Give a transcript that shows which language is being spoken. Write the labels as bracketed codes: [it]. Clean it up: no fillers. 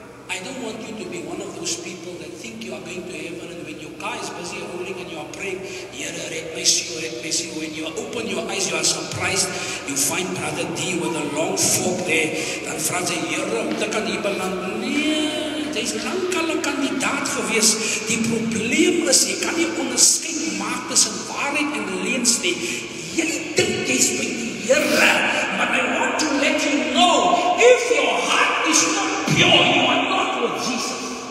[en] I don't want you to be one of those people that think you are going to heaven, and when your car is busy rolling and you are praying, Here, red mercy, when you open your eyes, you are surprised. You find Brother D with a long fork there. [af] Dan vra sy, Here, hoe kan jy beland? Nee, jy is lang al 'n kandidaat gewees. Die probleem is, jy kan nie onderskeid maak tussen waarheid en leuns nie. Jy dink jy is by die Here, [en] but I want to let you know, if your heart is not pure, you are not with Jesus.